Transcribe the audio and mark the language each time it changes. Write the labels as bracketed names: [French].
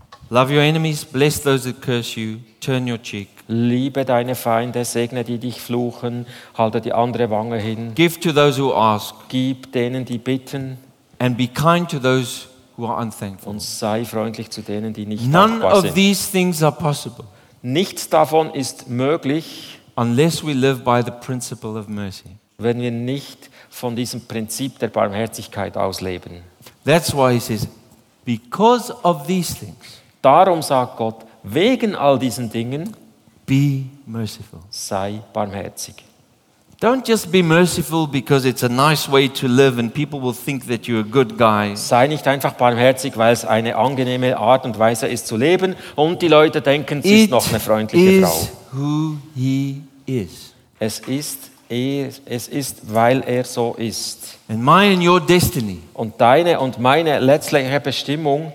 [English] Love your enemies, bless those that curse you, turn your cheek. [German] Liebe deine Feinde, segne die dich fluchen, halte die andere Wange hin. [English] Give to those who ask. [German] Gib denen, die bitten. [English] And be kind to those who are unthankful. [German] Und sei freundlich zu denen, die nicht dankbar sind. [English] None of these things are possible. [German] Nichts davon ist möglich, [English] unless we live by the principle of mercy. [German] Wenn wir nicht von diesem Prinzip der Barmherzigkeit ausleben. [English] That's why he says, because of these things. [German] Darum sagt Gott, wegen all diesen Dingen, [English] be merciful. [German] Sei barmherzig. [English] Don't just be merciful because it's a nice way to live and people will think that you're a good guy. [German] Sei nicht einfach barmherzig, weil es eine angenehme Art und Weise ist zu leben und die Leute denken, sie ist noch eine freundliche Frau. [English] Who he is. [German] Es ist, Es ist, weil er so ist. [English] And my and your destiny [German] und deine und meine letztliche Bestimmung